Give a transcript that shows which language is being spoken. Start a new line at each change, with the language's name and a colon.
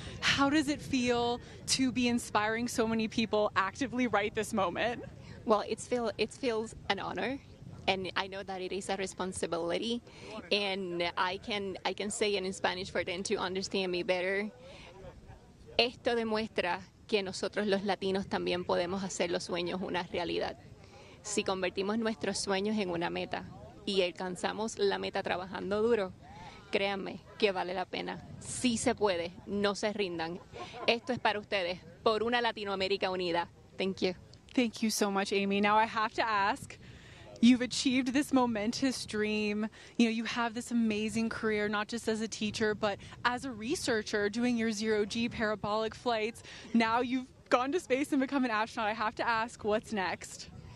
English: How does it feel to be inspiring so many people actively right this moment? Well, it feels an honor, and I know that it is a responsibility, and I can say it in Spanish for them to understand me better.
Spanish: Esto demuestra que nosotros los latinos también podemos hacer los sueños una realidad. Si convertimos nuestros sueños en una meta y alcanzamos la meta trabajando duro, créanme que vale la pena. Sí se puede, no se rindan. Esto es para ustedes, por una Latinoamérica unida.
English: Thank you. Thank you so much, Amy. Now I have to ask, you've achieved this momentous dream. You know, you have this amazing career, not just as a teacher, but as a researcher doing your zero-G parabolic flights. Now you've gone to space and become an astronaut. I have to ask, what's next?